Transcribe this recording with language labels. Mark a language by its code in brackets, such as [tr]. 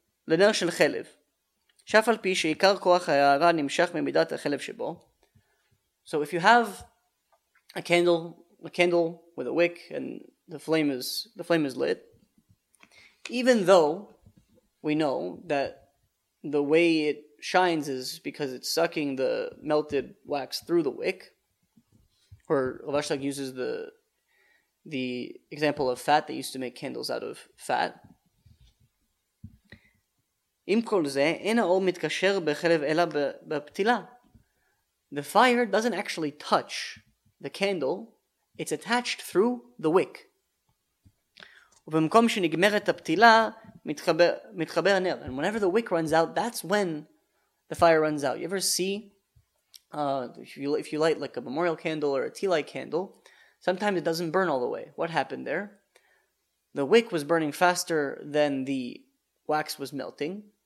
[he] לנר של חלב, שאף על פי שעיקר כוח ההארה נמשך ממידת החלב שבו. [en] So if you have a candle with a wick and the flame is lit, even though we know that the way it shines is because it's sucking the melted wax through the wick, or Rav Ashlag uses the example of fat, they used to make candles out of fat. [he] עם כל זה, אין האור מתקשר בחלב אלא בפתילה. [en] The fire doesn't actually touch the candle, it's attached through the wick. [he] ובמקום שנגמרת הפתילה, מתחבר הנר. [en] And whenever the wick runs out, that's when the fire runs out. You ever see, if you light like a memorial candle or a tea light candle, sometimes it doesn't burn all the way. What happened there? The wick was burning faster than the wax was melting.